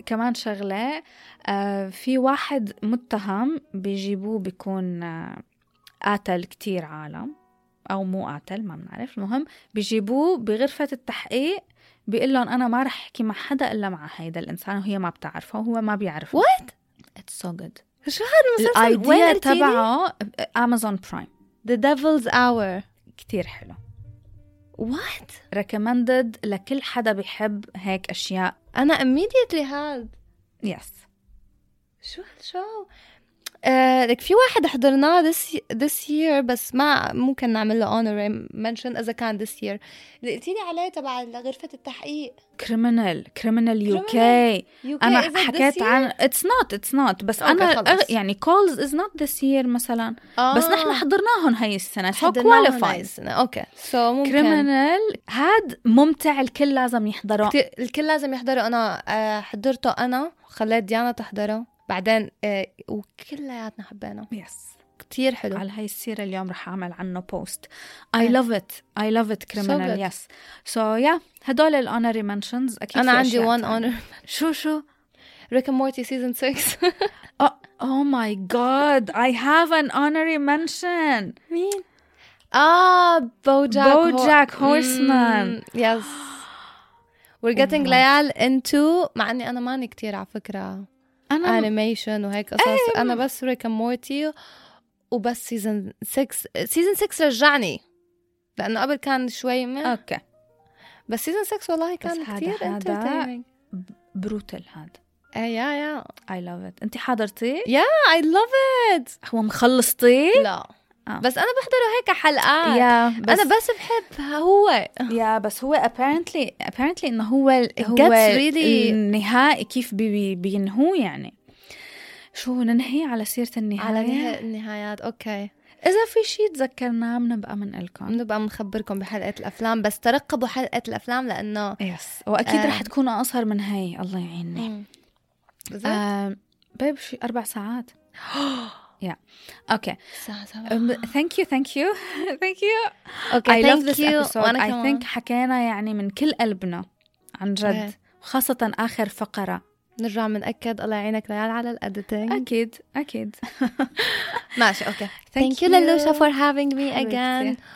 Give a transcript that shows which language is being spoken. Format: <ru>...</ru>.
<ar>كمان شغلة في واحد متهم بيجيبوه بيكون قاتل كتير عالم أو مو قاتل ما بنعرف المهم بيجيبوه بغرفة التحقيق بيقول لهم أنا ما رح حكي مع حدا إلا مع هيدا الإنسان وهي ما بتعرفه وهو ما بيعرفه</ar> <en>What? It's so good.</en> <ar>شو هذا المسلسل؟ الايديا تبعه Amazon Prime. The Devil's Hour. كتير حلو. What? Recommended لكل حدا بيحب هيك أشياء. أنا</ar> <en>immediately had. Yes.</en> <ar>شو هالشو؟ لك في واحد حضرناه</ar> <en>this year</en> <ar>بس ما ممكن نعمل له honorary mention إذا كان this year. اللي قلتيني عليه تبع غرفة التحقيق.</ar> <en>Criminal UK.</en> <ar>UK أنا حكيت عن</ar> <en>It's not</en> <ar>بس أنا خلص. يعني</ar> <en>calls is not this year</en> <ar>مثلا بس نحن حضرناهم هاي السنة</ar> <en>so qualified okay. so</en> <ar>ممكن. Criminal هاد ممتع الكل لازم يحضره الكل لازم يحضره أنا حضرته أنا خليت ديانا تحضره بعدين وكلياتنا حبينا</ar> <en>Yes yes.</en> <ar>كتير حلو على هاي السيرة اليوم رح أعمل عنه بوست.</ar> <en>I love it criminal. Yes. So yeah,</en> <ar>هدول الـ</ar> <en>honorary mentions.</en> <ar>أكيد أنا عندي</ar> <en>one honor.</en> <ar>شو</ar> <en>Rick and Morty season 6. oh my god, I have an honorary mention.</en> <ar>مين؟ BoJack</ar> <en>Horseman. Yes. We're getting Layal into,</en> <ar>مع أني أنا ماني كتير على فكرة أنا animation وهيك قصص. أنا بس Rick and Morty وبس season 6. Season 6 رجعني لأنه قبل كان شوي من. أوكي. بس season 6 والله كان كتير entertaining.</ar> <en>Brutal هذا. Yeah. I love it.</en> <ar>أنت حضرتي؟</ar> <en>Yeah, I love it.</en> <ar>هو مخلصتي؟ لا. بس أنا بحضره هيك حلقات.</ar> <en>Yeah,</en> <ar>بس أنا بس بحب هو.</ar> <en>Yeah,</en> <ar>بس هو</ar> <en>apparently</en> <ar>إنه هو</ar> <en>really</en> <ar>النهائي كيف بينهو يعني. شو ننهي على سيرة النهاية؟ على النهايات. أوكي. إذا في شيء تذكرناه بنبقى منقلكم. بنبقى منخبركم بحلقة الأفلام. بس ترقبوا حلقة الأفلام لأنه.</ar> <en>Yes.</en> <ar>وأكيد رح تكون أصغر من هاي. الله يعيني. باب شي 4 ساعات.</ar> <en>Yeah. Okay. Thank you. Okay. I love this episode. I think</en> <ar>حكينا يعني من كل قلبنا عن جد. خاصة آخر فقرة. نرجع منأكد الله يعينك ليال على الأدتين. أكيد. ماشي.</ar> <en>Okay. Thank you</en> <ar>للوشا</ar> <en>for having me again.</en>